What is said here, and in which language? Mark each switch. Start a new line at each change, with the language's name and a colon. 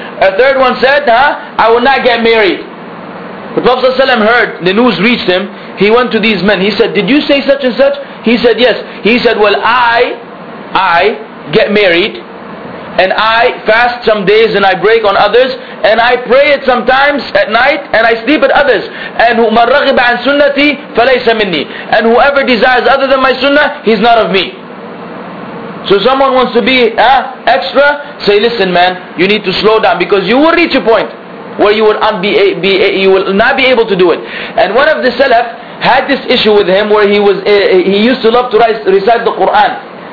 English: A third one said, I will not get married. The Prophet ﷺ heard, the news reached him. He went to these men. He said, did you say such and such? He said, yes. He said, well, I get married And I fast some days and I break on others. And I pray it sometimes at night and I sleep at others.
Arabic: And مَنْ رَغِبَ عَنْ سُنَّتِي فَلَيْسَ مِنِّي.
English: And whoever desires other than my sunnah, he's not of me. So someone wants to be extra, say, listen man, you need to slow down, because you will reach a point where you will, you will not be able to do it. And one of the Salaf had this issue with him, where he used to love to recite the Quran.